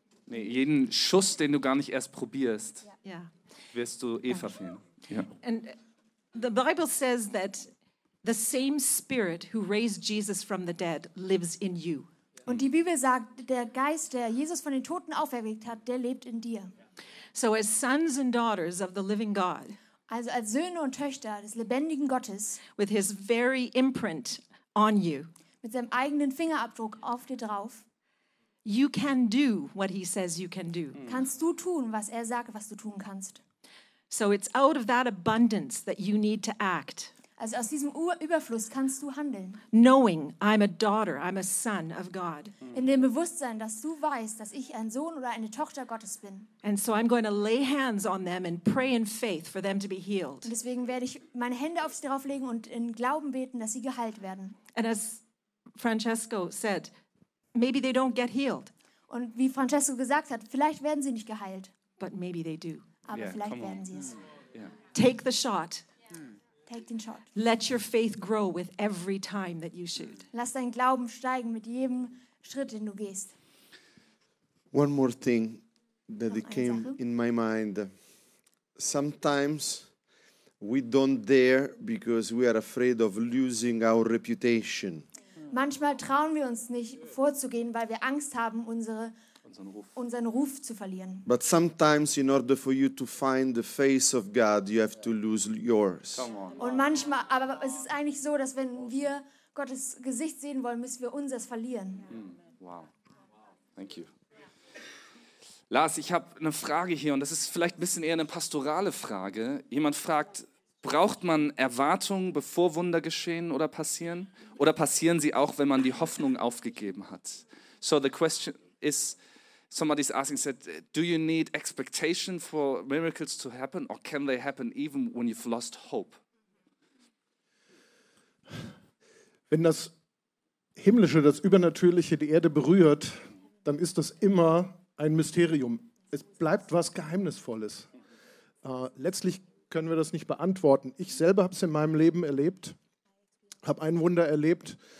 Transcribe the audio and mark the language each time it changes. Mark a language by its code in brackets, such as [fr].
[de] Jeden Schuss, den du gar nicht erst probierst, wirst du verfehlen. [en] And the Bible says that the same Spirit who raised Jesus from the dead lives in you. [de] Und die Bibel sagt, der Geist, der Jesus von den Toten auferweckt hat, der lebt in dir. [en] So as sons and daughters of the living God, [de] also als Söhne und Töchter des lebendigen Gottes, [en] with his very imprint on you, [de] mit seinem eigenen Fingerabdruck auf dir drauf, [en] you can do what he says you can do. [de] Kannst du tun, was sagt, was du tun kannst. [en] So it's out of that abundance that you need to act. [de] Also aus diesem Überfluss kannst du handeln. [en] Knowing I'm a daughter, I'm a son of God. [de] In dem Bewusstsein, dass du weißt, dass ich ein Sohn oder eine Tochter Gottes bin. [en] And so I'm going to lay hands on them and pray in faith for them to be healed. [de] Und deswegen werde ich meine Hände auf sie drauflegen und in Glauben beten, dass sie geheilt werden. [en] And as Francesco said, maybe they don't get healed. [de] Und wie Francesco gesagt hat, vielleicht werden sie nicht geheilt. [en] But maybe they do. [de] Aber yeah, vielleicht werden sie es. [en] Yeah. Take the shot. Take den shot. Let your faith grow with every time that you shoot. [de] Lass deinen Glauben steigen mit jedem Schritt, den du gehst. [en] One more thing that came in my mind. Sometimes we don't dare because we are afraid of losing our reputation. [de] Manchmal trauen wir uns nicht vorzugehen, weil wir Angst haben, unseren Ruf zu verlieren. [en] But sometimes in order for you to find the face of God, you have to lose yours. [de] Und manchmal, aber es ist eigentlich so, dass wenn wir Gottes Gesicht sehen wollen, müssen wir unseres verlieren. [en] Wow. Thank you. [de] Lars, ich habe eine Frage hier und das ist vielleicht ein bisschen eher eine pastorale Frage. Jemand fragt, braucht man Erwartungen, bevor Wunder geschehen oder passieren? Oder passieren sie auch, wenn man die Hoffnung aufgegeben hat? [en] So the question is, somebody's asking, said, do you need expectation for miracles to happen or can they happen even when you've lost hope? [de] Wenn das Himmlische, das Übernatürliche die Erde berührt, dann ist das immer ein Mysterium. Es bleibt was Geheimnisvolles. Letztlich können wir das nicht beantworten. Ich selber habe es in meinem Leben erlebt, habe ein Wunder erlebt.